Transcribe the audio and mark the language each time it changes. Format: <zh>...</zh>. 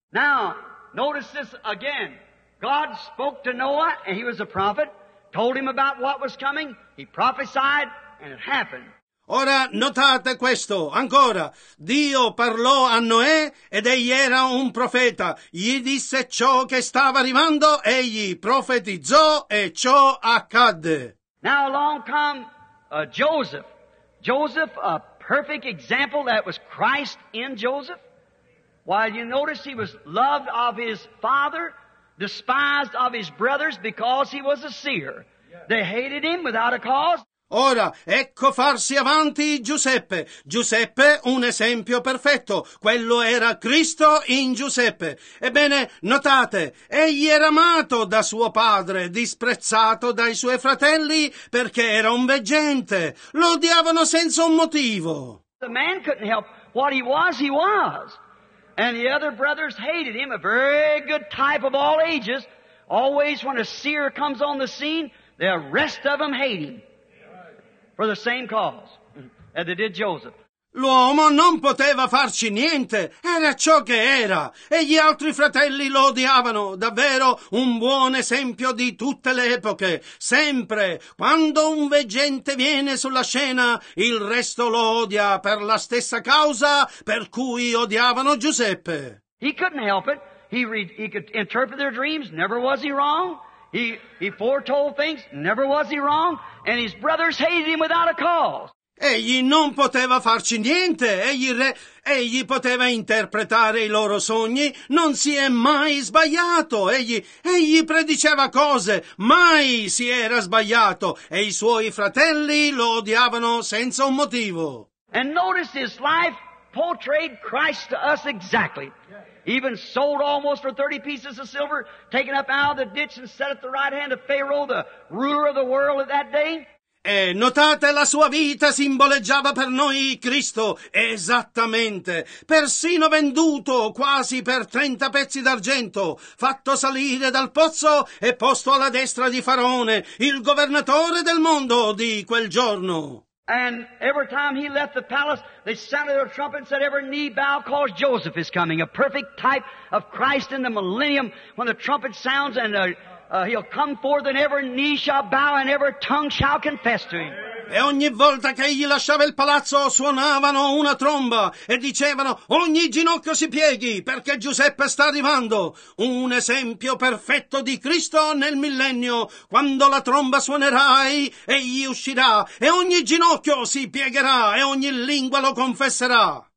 <en>Now, notice this again. God spoke to Noah, and he was a prophet, told him about what was coming, he prophesied, and it happened.</en> <it>Ora notate questo, ancora, Dio parlò a Noè ed egli era un profeta, gli disse ciò che stava arrivando, egli profetizzò e ciò accadde.</it> <en>Now along come Joseph. Joseph, a perfect example, that was Christ in Joseph. While you notice he was loved of his father, despised of his brothers because he was a seer. They hated him without a cause.</en> <it>Ora, ecco farsi avanti Giuseppe. Giuseppe, un esempio perfetto. Quello era Cristo in Giuseppe. Ebbene, notate, egli era amato da suo padre, disprezzato dai suoi fratelli, perché era un veggente. Lo odiavano senza un motivo.</it> <en>The man couldn't help what he was. And the other brothers hated him, a very good type of all ages. Always when a seer comes on the scene, the rest of them hate him. For the same cause as they did Joseph.</en> <it>L'uomo non poteva farci niente, era ciò che era, e gli altri fratelli lo odiavano, davvero un buon esempio di tutte le epoche. Sempre, quando un veggente viene sulla scena, il resto lo odia per la stessa causa per cui odiavano Giuseppe.</it> <en>He couldn't help it, he could interpret their dreams, never was he wrong. He foretold things, never was he wrong, and his brothers hated him without a cause.</en> <it>Egli non poteva farci niente, egli poteva interpretare i loro sogni, non si è mai sbagliato, egli prediceva cose, mai si era sbagliato, e i suoi fratelli lo odiavano senza un motivo.</it> <en>And notice his life portrayed Christ to us exactly. Even sold almost for 30 pieces of silver, taken up out of the ditch and set at the right hand of Pharaoh, the ruler of the world at that day.</en> <it>E notate, la sua vita simboleggiava per noi Cristo, esattamente. Persino venduto quasi per 30 pezzi d'argento, fatto salire dal pozzo e posto alla destra di Faraone, il governatore del mondo di quel giorno.</it> <en>And every time he left the palace, they sounded their trumpet and said, every knee bow, cause Joseph is coming. A perfect type of Christ in the millennium when the trumpet sounds and he'll come forth and every knee shall bow and every tongue shall confess to him.</en> <it>E ogni volta che egli lasciava il palazzo suonavano una tromba e dicevano, ogni ginocchio si pieghi perché Giuseppe sta arrivando. Un esempio perfetto di Cristo nel millennio. Quando la tromba suonerà, egli uscirà e ogni ginocchio si piegherà e ogni lingua lo confesserà.</it>